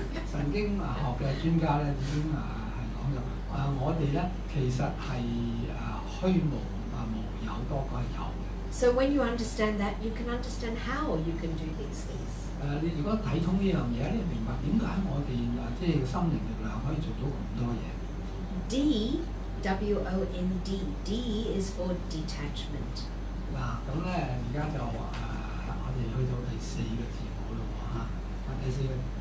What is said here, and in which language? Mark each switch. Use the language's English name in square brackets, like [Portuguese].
[Chinese] 神經學的專家已經說了我們其實是虛無無有多過有的 [English] So when you understand that, you can understand how you can do these things [Chinese] 你如果看通這件事你明白為什麼我們即是心靈力量可以做到這麼多事 [English] D, W-O-N-D D is for detachment [Chinese] 現在就我們去到第四個字母了第四個